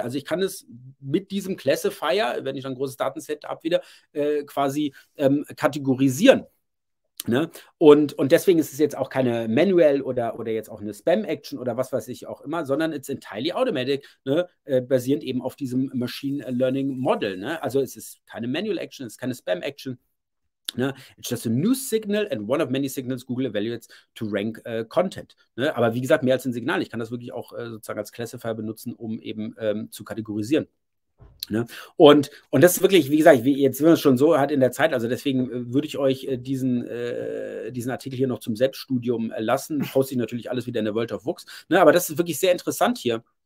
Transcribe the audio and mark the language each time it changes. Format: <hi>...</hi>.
<de>Also ich kann es mit diesem Classifier, wenn ich dann ein großes Datenset habe wieder, quasi kategorisieren. Ne? Und deswegen ist es jetzt auch keine Manual oder jetzt auch eine Spam-Action oder was weiß ich auch immer, sondern</de> <en>it's entirely automatic,</en> <de>ne? Basierend eben auf diesem Machine Learning Model. Ne? Also es ist keine Manual Action, es ist keine Spam-Action. Ne?</de> <en>It's just a new signal and one of many signals Google evaluates to rank content.</en> <de>Ne? Aber wie gesagt, mehr als ein Signal. Ich kann das wirklich auch sozusagen als Classifier benutzen, um eben zu kategorisieren. Ne? Und das ist wirklich, wie gesagt, jetzt sind wir schon so hat in der Zeit, also deswegen würde ich euch diesen Artikel hier noch zum Selbststudium lassen. Poste ich natürlich alles wieder in der World of Wux. Ne? Aber das ist wirklich sehr interessant hier.</de>